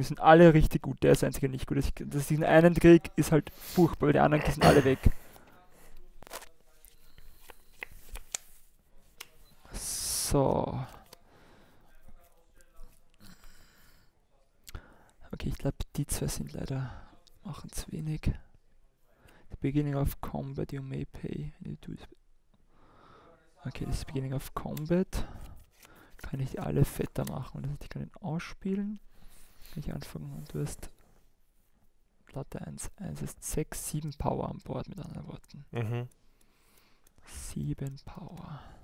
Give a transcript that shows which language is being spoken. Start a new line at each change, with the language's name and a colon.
German: Die sind alle richtig gut, der ist der einzige nicht gut. Dass ich den einen krieg, ist halt furchtbar, weil die anderen sind alle weg. So. Okay, ich glaube, die zwei sind leider machen zu wenig.
English: The beginning of combat, you may pay.
German: Okay, das ist beginning of combat. Kann ich die alle fetter machen? Ich kann den ausspielen. Ich anfange und du hast Latte 1. 1 ist 6, 7 Power an Bord, mit anderen Worten. 7 Power.